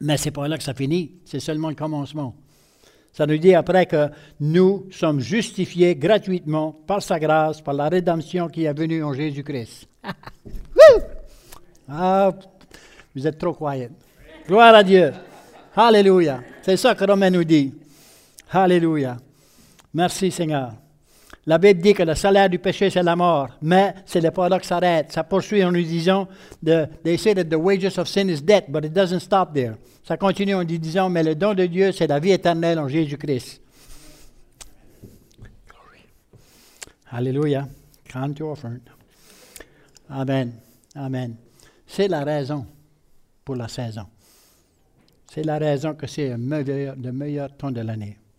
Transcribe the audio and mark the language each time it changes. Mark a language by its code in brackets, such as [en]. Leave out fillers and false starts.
[fr] Mais ce n'est pas là que ça finit, c'est seulement le commencement. Ça nous dit après que nous sommes justifiés gratuitement par sa grâce, par la rédemption qui est venue en Jésus-Christ. vous êtes trop croyants. Gloire à Dieu. Alléluia. C'est ça que Romains nous dit. Alléluia. Merci Seigneur. La Bible dit que le salaire du péché, c'est la mort. Mais ce n'est pas là que ça s'arrête. Ça poursuit en nous disant, [en] they say that the wages of sin is death, but it doesn't stop there. [fr] Ça continue en nous disant, mais le don de Dieu, c'est la vie éternelle en Jésus-Christ. [en] Glory. Alléluia. Count your friend. Amen. Amen. [fr] C'est la raison pour la saison. C'est la raison que c'est le meilleur temps de l'année.